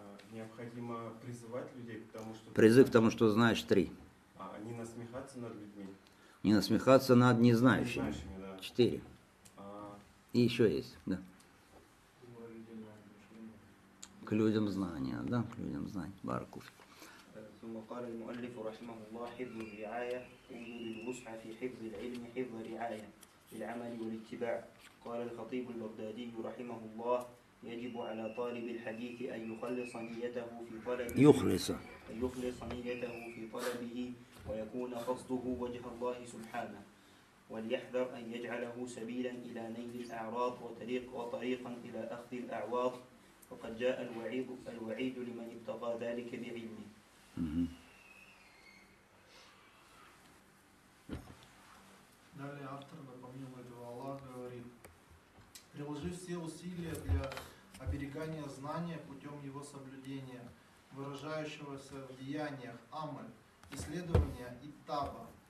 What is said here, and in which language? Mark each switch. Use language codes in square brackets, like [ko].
[ru] Необходимо призывать людей к тому, что... Призыв к тому, что знаешь, три. А не насмехаться над людьми? Не насмехаться над незнающими. Незнающими, да. Четыре. И еще есть, да. К людям знания, да, к людям знания. Баракуфи. [ar] ثم قال المؤلف رحمه الله: حفظ الرعاية وجود الوسعى في حفظ العلم حفظ رعاية للعمل والاتباع. قال الخطيب البغدادي رحمه الله: يجب على طالب الحديث أن يخلص نيته في طلبه ويكون قصده وجه الله سبحانه، وليحذر أن يجعله سبيلا إلى نيل الأعراض وطريقا إلى أخذ الأعواض، وقد جاء الوعيد لمن ابتغى ذلك بعلمه. [ru] Далее автор, помимо этого, Аллах говорит: приложи все усилия для оберегания знания путем его соблюдения, выражающегося в деяниях амаль, исследования иттаба,